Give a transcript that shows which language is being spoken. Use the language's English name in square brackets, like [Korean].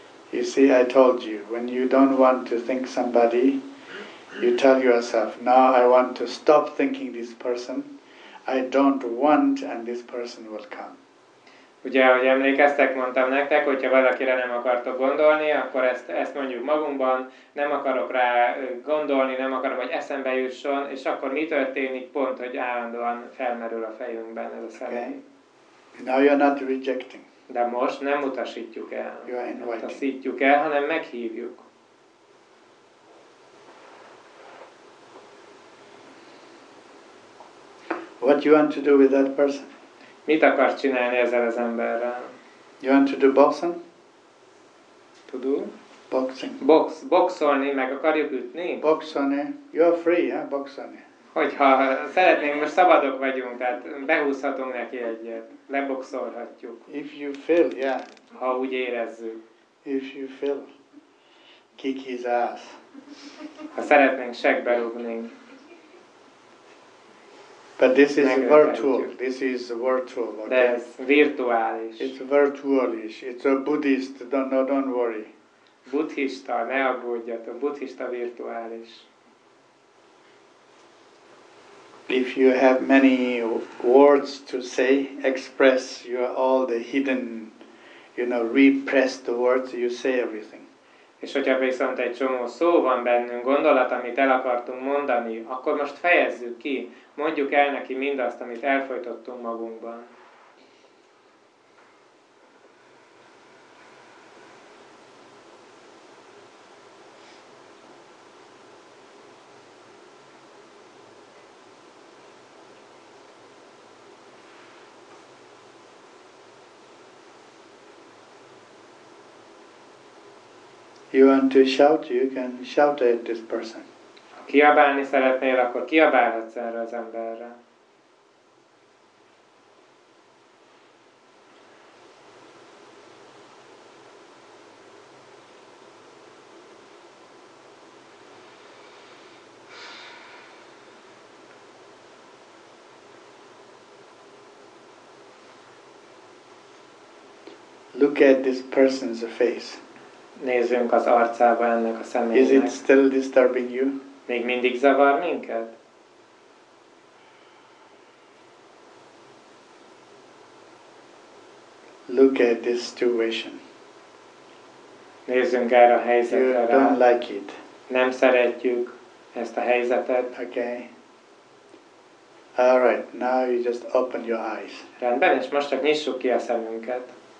[English] You see, I told you, when you don't want to think somebody, you tell yourself, now I want to stop thinking this person, I don't want, and this person will come. [Hungarian] Ugye, ahogy emlékeztek, mondtam nektek, hogyha valakire nem akartok gondolni, akkor ezt mondjuk magunkban, nem akarok rá gondolni, nem akarom, hogy eszembe jusson, és akkor mi történik pont, hogy állandóan felmerül a fejünkben ez a személy. [English] Okay. Now you're not rejecting. [Hungarian] De most nem utasítjuk el, utasítjuk el, hanem meghívjuk. [English] What you want to do with that person? [Hungarian] Mit akarsz csinálni ezzel az emberrel? [English] You want to do boxing? To do? Boxing. [Hungarian] Boxolni, meg akarjuk ütni? Boxolni. [English] You are free, yeah? Boxolni. [Hungarian] Hogyha szeretnénk, most szabadok vagyunk, tehát behúzhatunk neki egyet, leboxolhatjuk. [English] If you feel, yeah. [Hungarian] Ha úgy érezzük. [English] If you feel, kick his ass. [Hungarian] Ha szeretnénk, segbe rúgni. [English] But this is virtual. This is virtual. Okay? [Hungarian] De ez virtuális. [English] It's virtualish. It's a Buddhist. Don't worry. [Hungarian] Buddhista, ne aggódjatok. Buddhista virtuális. [English] If you have many words to say, express your all the hidden, you know, repressed words, you say everything. [Hungarian] És hogyha viszont egy csomó szó van bennünk, gondolat, amit el akartunk mondani, akkor most fejezzük ki, mondjuk el neki mindazt, amit elfojtottunk magunkban. [English] You want to shout, you can shout at this person. [Hungarian] Ha kiabálni szeretnél, akkor kiabálhatsz erre az emberre. [English] Look at this person's face. [Hungarian] Nézzünk az arcába ennek a személynek. [English] Is it still disturbing you? [Hungarian] Még mindig zavar minket? [English] Look at this situation. [Hungarian] Nézzünk erre a helyzetre. [English] You don't like it. [Hungarian] Nem szeretjük ezt a helyzetet. [English] Okay. All right, now you just open your eyes. [Hungarian] Rendben, és most csak nyissuk ki a szemünket.